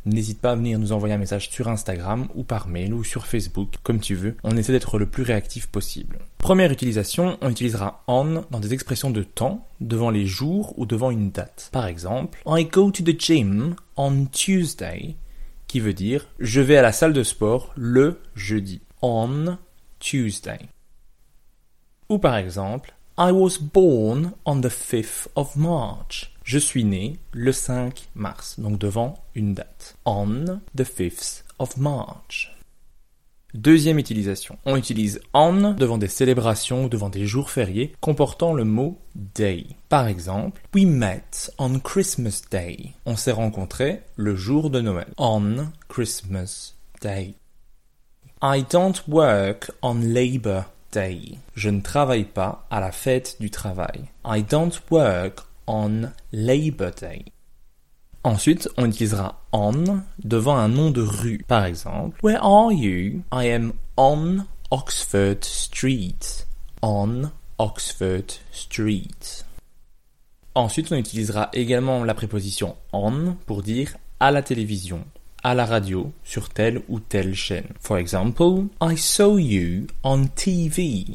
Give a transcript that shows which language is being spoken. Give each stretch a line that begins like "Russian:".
French: N'hésite pas à venir nous envoyer un message sur Instagram ou par mail ou sur Facebook, comme tu veux, on essaie d'être le plus réactif possible. Première utilisation, on utilisera on dans des expressions de temps, devant les jours ou devant une date. Par exemple,
English: I go to the gym on Tuesday,
French: qui veut dire je vais à la salle de sport le jeudi.
English: On Tuesday.
French: Ou par exemple,
English: I was born on the 5th of March.
French: Je suis né le 5 mars, donc devant une date.
English: On the 5th of March.
French: Deuxième utilisation. On utilise on devant des célébrations ou devant des jours fériés comportant le mot day. Par exemple,
English: we met on Christmas Day.
French: On s'est rencontré le jour de Noël.
English: On Christmas Day. I don't work on Labor Day.
French: Je ne travaille pas à la fête du travail.
English: I don't work on Labor Day.
French: Ensuite, on utilisera on devant un nom de rue. Par exemple,
English: Where are you? I am on Oxford Street. On Oxford Street.
French: Ensuite, on utilisera également la préposition on pour dire à la télévision, à la radio, sur telle ou telle chaîne.
English: For example, I saw you on TV.